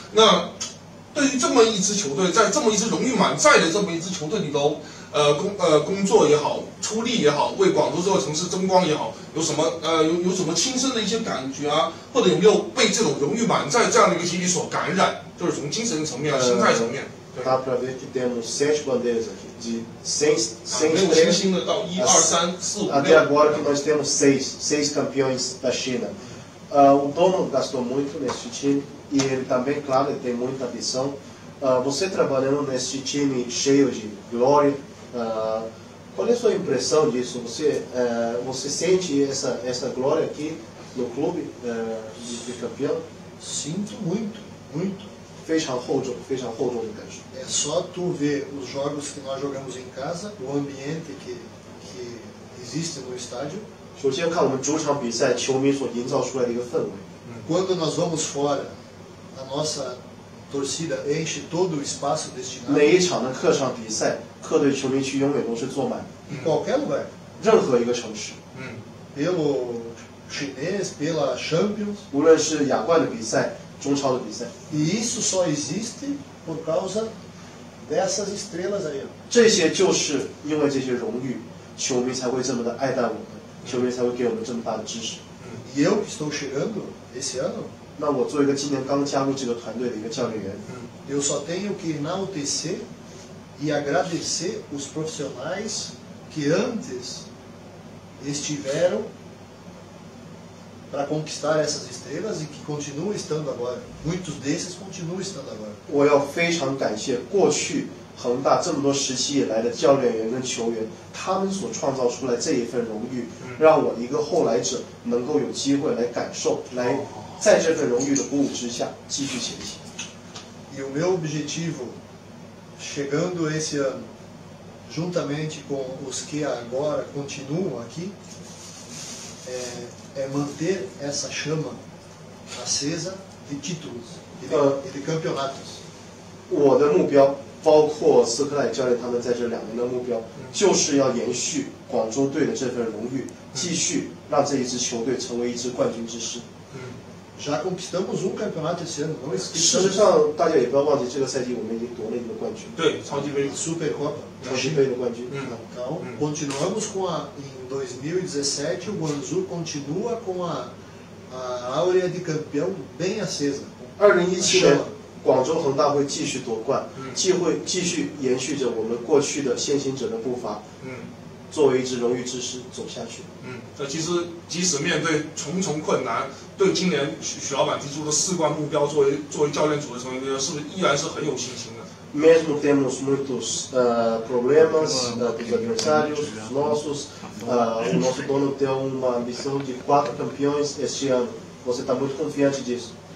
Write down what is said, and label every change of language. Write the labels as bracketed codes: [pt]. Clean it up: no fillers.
[zh] 那对于这么一支球队，在这么一支荣誉满载的这么一支球队里头，工作也好，出力也好，为广州这座城市争光也好，有什么亲身的一些感觉啊？或者有没有被这种荣誉满载这样的一个集体所感染？就是从精神层面、心态层面。 [pt] dá para ver que temos sete bandeiras aqui, de 100 até agora que nós temos seis campeões da China. O dono gastou muito neste time e ele também, claro, ele tem muita ambição. Você trabalhando neste time cheio de glória, qual é a sua impressão disso? Você sente essa glória aqui no clube de campeão? Sinto muito, muito. [zh] 非常厚重的感觉。 [pt] É só tu ver os jogos que nós jogamos em casa, o ambiente que existe no estádio. [zh] 首先看我们主场比赛球迷所营造出来的一个氛围。 [pt] Quando nós vamos fora, a nossa torcida enche todo o espaço destinado. [zh] 每一场的客场比赛，客队球迷区永远都是坐满。 [pt] Em qualquer lugar. [zh] 任何一个城市。 [pt] Pelo chinês, pela Champions. [zh] 无论是亚冠的比赛。中超的比赛。 [pt] E isso só existe por causa dessas estrelas aí. [zh] 这些就是因为这些荣誉，球迷才会这么的爱戴我们，球迷才会给我们这么大的支持。 [pt] E eu que estou chegando esse ano. [zh] 那我作为一个今年刚加入这个团队的一个教练员。 [pt] Eu só tenho que enaltecer e agradecer os profissionais que antes estiveram. Para conquistar essas estrelas e que continuam estando agora. Muitos desses continuam estando agora. [zh] 我要非常感谢过去恒大这么多时期以来的教练员跟球员，他们所创造出来这一份荣誉，让我一个后来者能够有机会来感受，来在这份荣誉的鼓舞之下继续前行。 [pt] E o meu objetivo, chegando esse ano, juntamente com os que agora continuam aqui, é manter essa chama acesa de títulos e de campeonatos. [zh] 我的目标包括斯科莱教练他们在这两年的目标，就是要延续广州队的这份荣誉，继续让这一支球队成为一支冠军之师。 [pt] Já conquistamos campeonato esse ano, não esqueça. [zh] 事实上，大家也不要忘记，这个赛季我们已经夺了一个冠军。对，超级杯 [pt] Supercopa [zh] 超级杯的冠军。 [pt] Então, continuamos com a em 2017 o Guangzhou continua com a áurea de campeão bem acesa. [zh] 2017年，广州恒大会继续夺冠，继续延续着我们过去的先行者的步伐。作为一支荣誉之师走下去。其实即使面对重重困难，对今年许老板提出的四冠目标，作为教练组的成员，是不是依然是很有信心的？ [pt] Mesmo temos muitos problemas dos adversários nossos, o nosso dono tem uma ambição de 4 campeões este ano. Você está muito confiante disso?